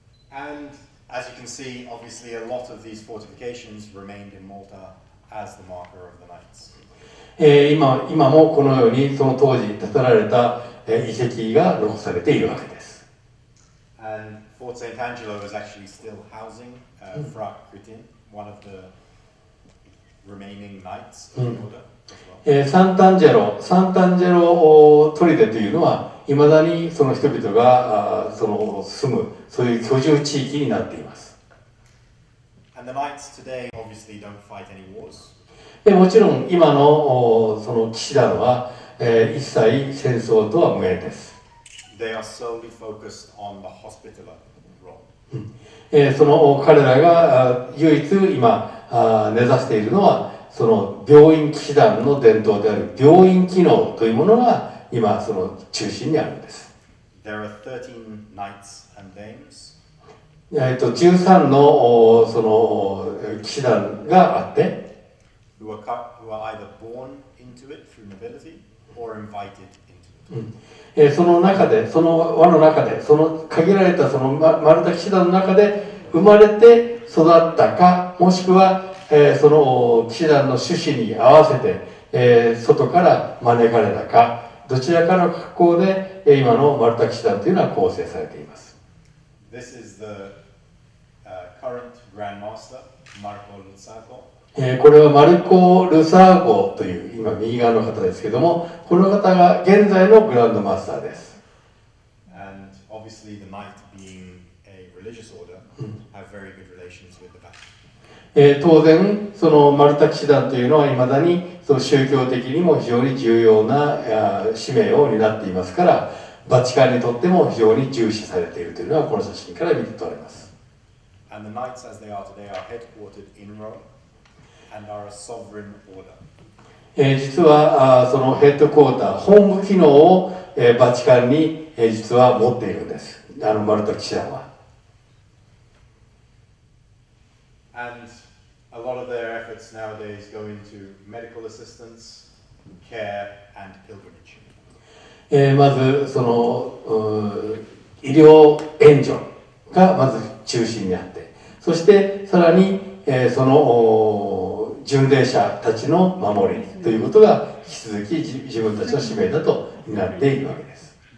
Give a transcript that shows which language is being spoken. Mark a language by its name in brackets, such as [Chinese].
[English] And as you can see, obviously a lot of these fortifications remained in Malta as the marker of the knights. [Japanese] 今もこのようにその当時建てられた遺跡が残されているわけです。 [English] And Fort St. Angelo is actually still housing Fra Crittin, one of the remaining knights of the order. [Japanese] サンタンジェロ砦というのは、いまだにその人々がその住む、そういう居住地域になっています。 [English] And the knights today obviously don't fight any wars. [Japanese] もちろん今のその騎士団は、一切戦争とは無縁です。 [English] They are solely focused on the hospital role. [Japanese] その彼らが唯一今根ざしているのは、その病院騎士団の伝統である病院機能というものが今その中心にあるんです。 [English] There are 13 knights and dames. [Japanese] 13のその騎士団があって、 [English] who are either born into it through nobility or invited into it. [Japanese] その中で、その輪の中で、その限られたそのマルタ騎士団の中で生まれて育ったか、もしくはその騎士団の趣旨に合わせて、外から招かれたか、どちらかの格好で今のマルタ騎士団というのは構成されています。 [English] This is the current Grand Master, Marco Luzzago. [Japanese] これはマルコ・ルサーゴという今右側の方ですけども、この方が現在のグランドマスターです。 [English] And obviously the knight being a religious order have very good relations with the Vatican. [Japanese] 当然そのマルタ騎士団というのは未だにその宗教的にも非常に重要な使命を担っていますから、バチカンにとっても非常に重視されているというのはこの写真から見て取れます。 [English] And the knights as they are today are headquartered in Rome and are a sovereign order. [Japanese] 実はそのヘッドクォーター、本部機能をバチカンに実は持っているんです。あのマルタ記者は。 [English] And a lot of their efforts nowadays go into medical assistance, care, and pilgrimage. [Japanese] まずその医療援助がまず中心にあって、そしてさらにその巡礼者たちの守りということが引き続き自分たちの使命だとなっているわけです。